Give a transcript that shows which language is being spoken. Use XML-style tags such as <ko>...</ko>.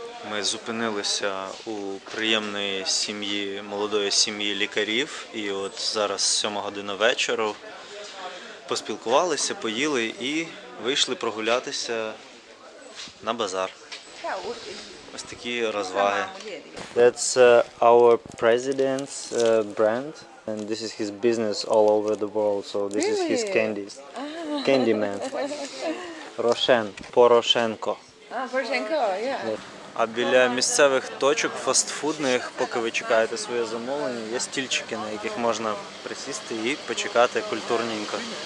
<uk>Ми зупинилися у приємної сім'ї, молодої сім'ї лікарів, і от зараз 7 година вечора, поспілкувалися, поїли і вийшли прогулятися на базар. Ось такі розваги.</uk> <en>That's our president's brand, and this is his business all over the world, so this is his candies. Candyman. Рошен, Порошенко. Порошенко, yeah.</en> <uk>А біля місцевих точок фастфудних, поки ви чекаєте своє замовлення, є стільчики, на яких можна присісти і почекати культурненько.</uk>